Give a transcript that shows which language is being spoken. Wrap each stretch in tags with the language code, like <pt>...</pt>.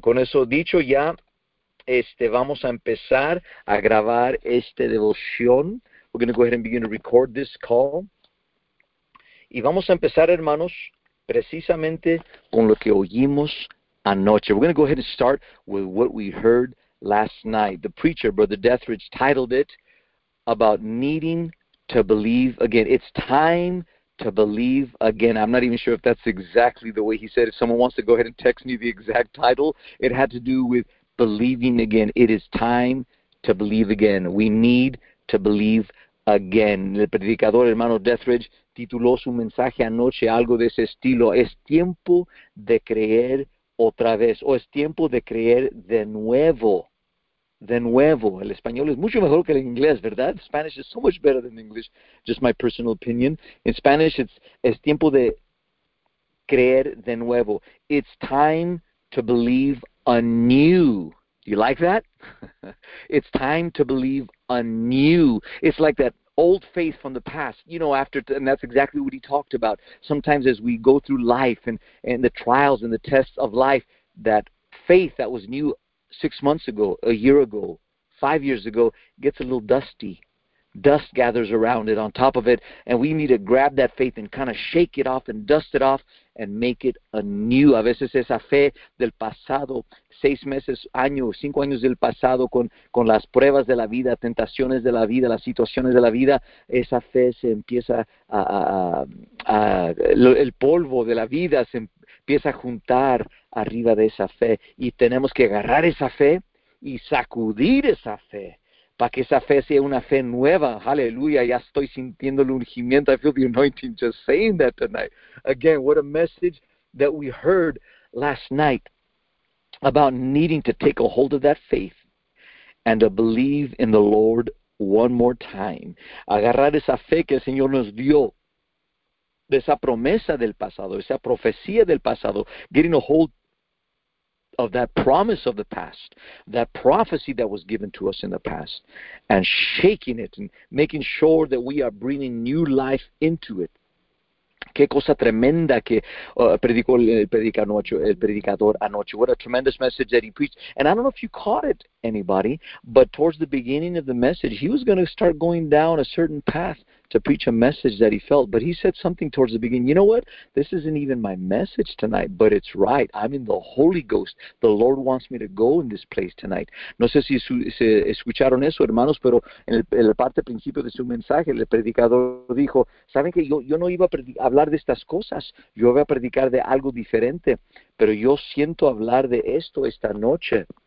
<es>Con eso dicho ya, vamos a empezar a grabar esta devoción.</es> <en>We're going to go ahead and begin to record this call.</en> <es>Y vamos a empezar, hermanos, precisamente con lo que oímos anoche.</es> <en>We're going to go ahead and start with what we heard last night. The preacher, Brother Deathridge, titled it about needing to believe again. It's time to believe again. I'm not even sure if that's exactly the way he said it. If someone wants to go ahead and text me the exact title, it had to do with believing again. It is time to believe again. We need to believe again.</en> <es>El predicador, hermano Deathridge, tituló su mensaje anoche algo de ese estilo. Es tiempo de creer otra vez. O es tiempo de creer de nuevo. De nuevo. El español es mucho mejor que el inglés, ¿verdad?</es> <en>Spanish is so much better than English. Just my personal opinion. In Spanish,</en> <es>es tiempo de creer de nuevo.</es> <en>It's time to believe anew. Do you like that? It's time to believe anew. It's like that old faith from the past, you know, and that's exactly what he talked about. Sometimes as we go through life and the trials and the tests of life, that faith that was new 6 months ago, a year ago, 5 years ago, gets a little dusty. Dust gathers around it on top of it, and we need to grab that faith and kind of shake it off and dust it off and make it anew.</en> <es>A veces esa fe del pasado, 6 meses, año, 5 años del pasado, con las pruebas de la vida, tentaciones de la vida, las situaciones de la vida, esa fe se empieza el polvo de la vida se empieza a juntar arriba de esa fe, y tenemos que agarrar esa fe y sacudir esa fe, para que esa fe sea una fe nueva. Aleluya, ya estoy sintiendo el ungimiento.</es> <en>I feel the anointing just saying that tonight. Again, what a message that we heard last night about needing to take a hold of that faith and to believe in the Lord one more time.</en> <es>Agarrar esa fe que el Señor nos dio, de esa promesa del pasado,</es> <en>esa profecía del pasado, getting a hold of that promise of the past, that prophecy that was given to us in the past, and shaking it and making sure that we are bringing new life into it.</en> <es>Qué cosa tremenda que predicó el predicador anoche.</es> <en>What a tremendous message that he preached. And I don't know if you caught it, anybody, but towards the beginning of the message, he was going to start going down a certain path to preach a message that he felt. But he said something towards the beginning. You know what? This isn't even my message tonight, but it's right. I'm in the Holy Ghost. The Lord wants me to go in this place tonight.</en> <es>No sé si se escucharon eso, hermanos, pero en la parte principio de su mensaje, el predicador dijo, ¿saben que yo no iba a hablar de estas cosas? Yo iba a predicar de algo diferente, pero yo siento hablar de esto esta noche.</es>